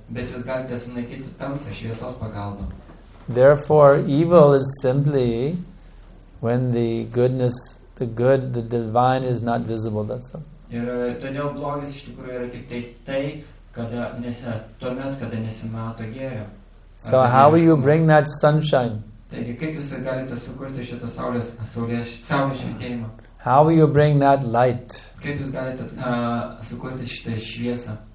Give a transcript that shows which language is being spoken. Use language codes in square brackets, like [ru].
[lt] Bet jūs galite sunaikinti tamsą šviesos pagalba. [en] Therefore, evil is simply when the goodness, the good, the divine is not visible. That's all. [lt] Ir todėl blogis iš tikrųjų yra tik tai, kada tuomet, kada nesimato gėrio. [en] So how will you bring that sunshine? [lt] Taigi, kaip jūs galite sukurti šitą saulės švietimą? [en] How will you bring that light? [lt] Kaip jūs galite sukurti šitą šviesą?